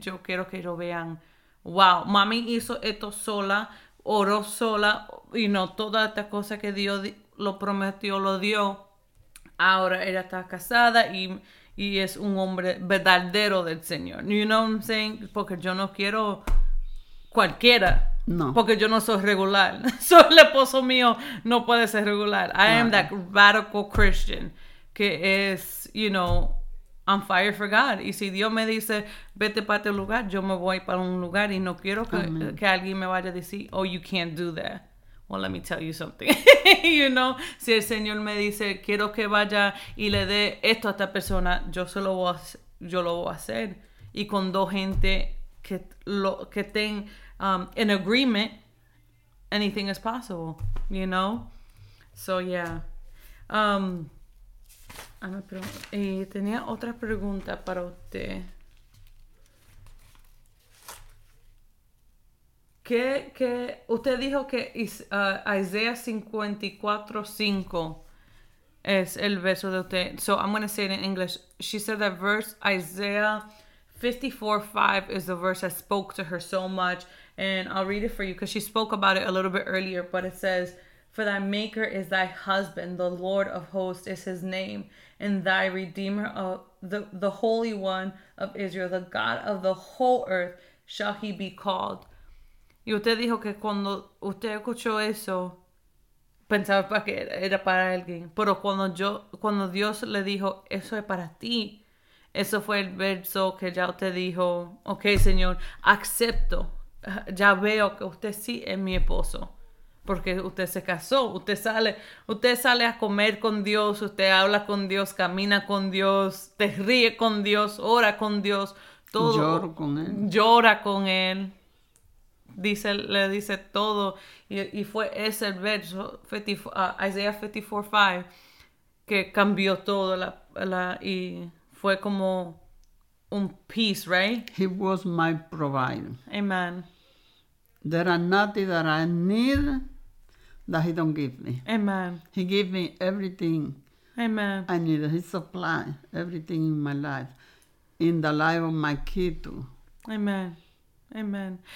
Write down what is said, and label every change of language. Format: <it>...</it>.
<es>Yo quiero que ellos vean, wow, mami hizo esto sola, oró sola, y no toda esta cosa que Dios lo prometió, lo dio. Ahora ella está casada y es un hombre verdadero del Señor.</es> <en>You know what I'm saying?</en> <es>Porque yo no quiero cualquiera. No. Porque yo no soy regular. Soy el esposo mío, no puede ser regular.</es> <en>I am that radical Christian</en> <es>que es,</es> <en>you know, I'm fire for God.</en> <es>Y si Dios me dice, vete para este lugar, yo me voy para un lugar y no quiero que alguien me vaya a decir,</es> <en>oh, you can't do that. Well, let me tell you something. You know,</en> <es>si el Señor me dice, quiero que vaya y le dé esto a esta persona, yo lo voy a hacer. Y con dos gente que estén en</es> <en>agreement, anything is possible, you know? So, yeah.</en> <es>Tenía otra pregunta para usted. ¿Qué usted dijo que Isaías 54:5 es el verso de usted?</es> <en>So I'm going to say it in English. She said that verse Isaiah 54:5 is the verse that spoke to her so much, and I'll read it for you because she spoke about it a little bit earlier. But it says, "For thy maker is thy husband, the Lord of hosts is his name, and thy redeemer of the Holy One of Israel, the God of the whole earth, shall he be called."</en> <es>Y usted dijo que cuando usted escuchó eso, pensaba que era para alguien. Pero cuando Dios le dijo, eso es para ti, eso fue el verso que ya usted dijo, ok, Señor, acepto. Ya veo que usted sí es mi esposo. Porque usted se casó. Usted sale a comer con Dios, usted habla con Dios, camina con Dios, te ríe con Dios, ora con Dios. Llora con él. Le dice todo y fue ese verso Isaiah 54:5 que cambió todo la y fue como un</es> <en>peace, right? He was my provider. Amen. There are nothing that I need that he don't give me. Amen. He gave me everything. Amen. I need he supply everything in my life, in the life of my kid too. Amen. Amen.</en>